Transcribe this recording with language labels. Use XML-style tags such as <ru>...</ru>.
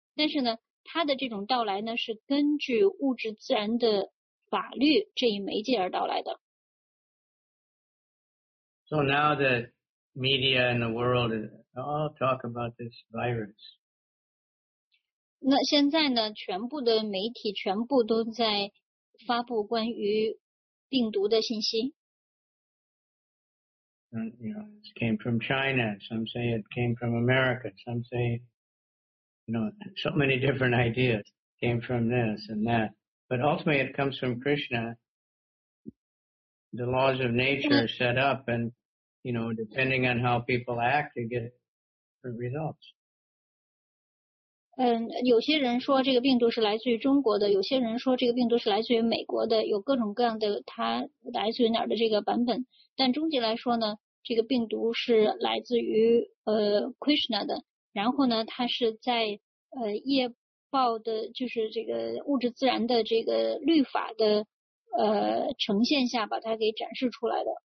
<zh>但是呢，它的这种到来呢，是根据物质自然的法律这一媒介而到来的。</zh> <en>So now the media and the world all talk about this virus.</en> <zh>那现在呢，全部的媒体全部都在发布关于病毒的信息。</zh> <en>It came from China. Some say it came from America. Some say, you know, so many different ideas came from this and that. But ultimately, it comes from Krishna. The laws of nature are set up, and you know, depending on how people act, you get different results.</en> <zh>有些人说这个病毒是来自于中国的，有些人说这个病毒是来自于美国的，有各种各样的它来自于哪儿的这个版本。但终极来说呢，这个病毒是来自于Krishna 的。然后呢，它是在业报的，就是这个物质自然的这个律法的呈现下把它给展示出来的。</zh>